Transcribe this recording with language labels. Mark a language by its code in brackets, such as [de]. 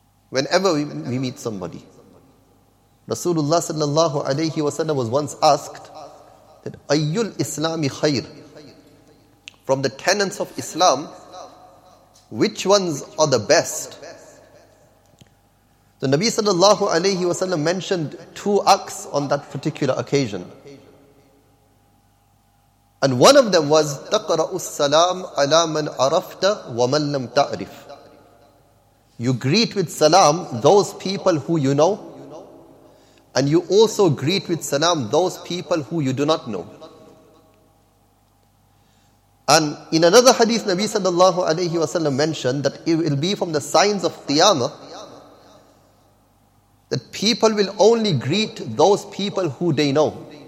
[en] Whenever we meet somebody. Rasulullah sallallahu alayhi wasallam was once asked that [ar] Ayyul Islami khair, [en] from the tenets of Islam, which ones are the best? So Nabi sallallahu alayhi wasallam mentioned two acts on that particular occasion. And one of them was [ar] تَقْرَأُ السَّلَامُ عَلَى مَنْ عَرَفْتَ وَمَنْ لَمْ تَعْرِفْ. [en] You greet with salam those people who you know, and you also greet with salam those people who you do not know. And in another hadith, Nabi sallallahu alayhi wa sallam mentioned that it will be from the signs of Qiyamah that people will only greet those people who they know.